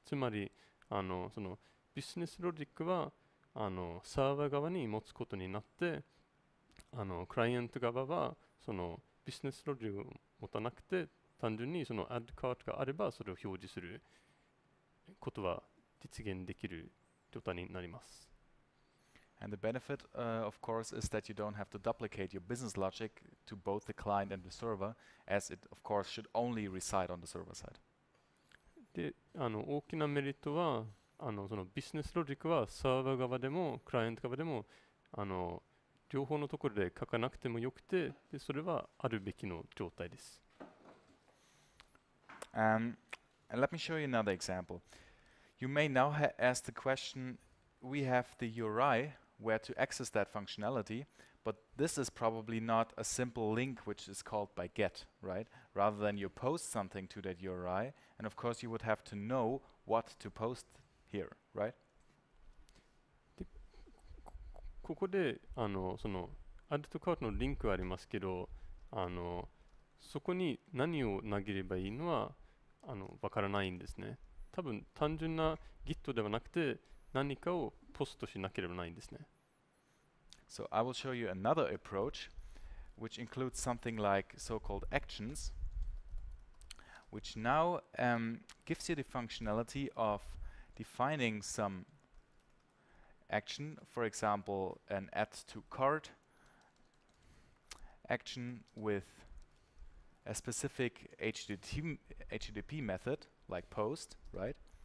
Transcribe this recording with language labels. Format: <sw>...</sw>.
<ja>つまり、あのそのビジネスロジックはあのサーバー側に持つことになって、あのクライアント側はそのビジネスロジックを持たなくて、単純にその add cart があればそれを表示することは実現できる状態になります。</ja> <en>And the benefit, of course, is that you don't have to duplicate your business logic to both the client and the server, as it, of course, should only reside on the server side.</en> <ja>で、あの、大きなメリットは、あの、そのビジネスロジックはサーバー側でもクライアント側でも、あの、両方のところで書かなくてもよくて、で、それはあるべきの状態です。</ja> <en>And let me show you another example. You may now ask the question,we have the URI where to access that functionality, but this is probably not a simple link which is called by get, right? Rather than you post something to that URI, and of course you would have to know what to post here, right?</en> <ja>ここで、あの、その、 add to cart のリンクありますけど、あの、そこに何を投げればいいのは、あの、わからないんですね。多分、単純な git ではなくて、何かをポストしなければないんですね。</ja> <en>So I will show you another approach, which includes something like so-called actions, which now gives you the functionality of defining some action, for example, an add to cart action with a specific HTTP method, like post, right?</en>